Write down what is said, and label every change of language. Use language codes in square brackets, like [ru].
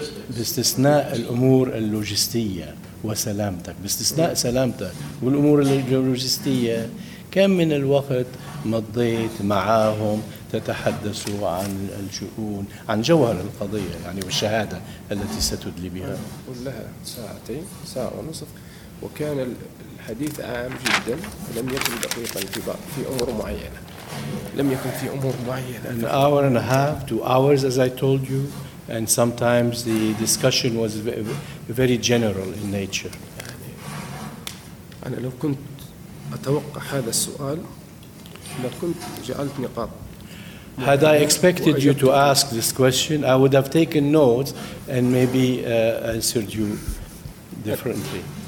[ar] باستثناء الأمور اللوجستية وسلامتك باستثناء سلامتك والأمور اللوجستية كم من الوقت مضيت معاهم تتحدثوا عن الشؤون عن جوهر القضية يعني والشهادة التي ستدلي بها قل لها ساعتين ساعة ونصف وكان الحديث عام جدا ولم يكن دقيقا في أمور معينة لم يكن في أمور معينة [en] An hour and a half, 2 hours as I told you and sometimes the discussion was very general in nature [ar] أنا لو كنت أتوقع هذا السؤال لكنت جعلت نقاط [en] Had I expected you to ask this question, I would have taken notes and maybe answered you differently.